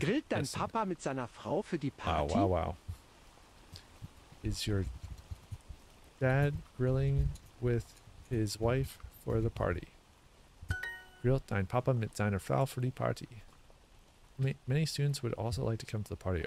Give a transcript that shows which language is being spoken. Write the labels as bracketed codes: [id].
[de] Grillt dein Papa mit seiner Frau für die Party? [en] Wow. Is your dad grilling with his wife for the party? [de] Grillt dein Papa mit seiner Frau für die Party? [en] Many students would also like to come to the party.